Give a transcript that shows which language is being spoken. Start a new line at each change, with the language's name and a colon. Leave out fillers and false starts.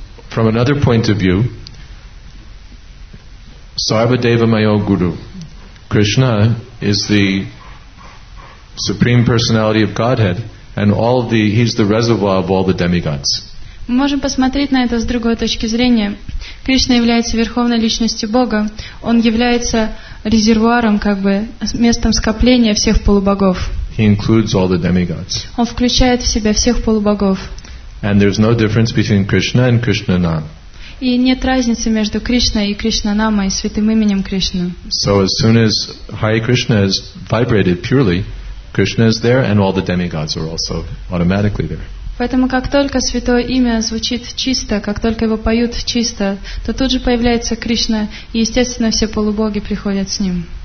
English: From another point of view,
Sanskrit: Sarvadeva Mayo Guru,
English: Krishna is the Supreme Personality of Godhead, and all of the he's the reservoir of all the demigods.
Russian: Мы можем посмотреть на это с другой точки зрения. Кришна является верховной личностью Бога. Он является резервуаром, как бы местом скопления всех полубогов.
English: He includes all the demigods.
Russian: Он включает в себя всех полубогов.
English: And there's no difference between Krishna and Krishna Nam.
Russian: И нет разницы между Кришной и Кришна Намой, святым именем Кришны.
English: So as soon as Hare Krishna is vibrated purely, Krishna is there, and all the demigods are also automatically there.
Russian: Поэтому как только святое имя звучит чисто, как только его поют чисто, то тут же появляется Кришна, и естественно все полубоги приходят с ним.